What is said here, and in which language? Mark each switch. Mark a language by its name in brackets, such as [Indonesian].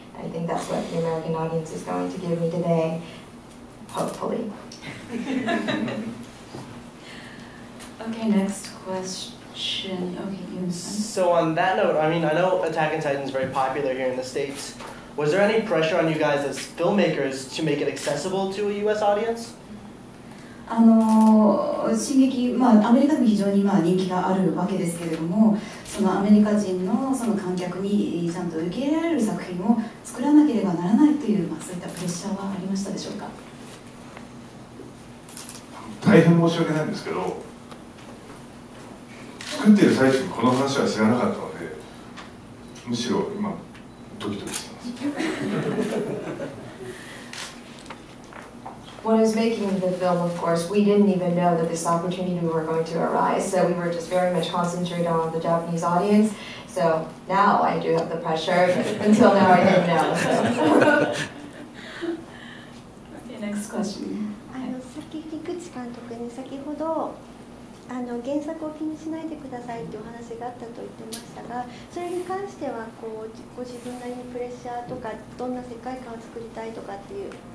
[English] I think that's what the American audience is going to give me today, hopefully. Okay, next question. Okay, you. So on that note, I mean, I know Attack on Titan is very popular here in the States. Was there any pressure on you guys as filmmakers to make it accessible to a U.S. audience? [Japanese] あの進撃、まあ、アメリカでも非常にまあ人気があるわけですけれども、そのアメリカ人 の, その観客にちゃんと受け入れられる作品を作らなければならないという、まあ、そういったプレッシャーはありましたでしょうか。大変申し訳ないんですけど、作っている最中にこの話は知らなかったので、むしろ今ドキドキしてます。 [English] When I was making the film, of course, we didn't even know that this opportunity were going to arise, so we were just very much concentrated on the Japanese audience. So now I do have the pressure, but until now I didn't know. So. Okay, next question. [Japanese] 菊池監督に先ほど、原作を気にしないでくださいってお話があったと言ってましたが、それに関してはこうご自分なりにプレッシャーとか、どんな世界観を作りたいとかっていう、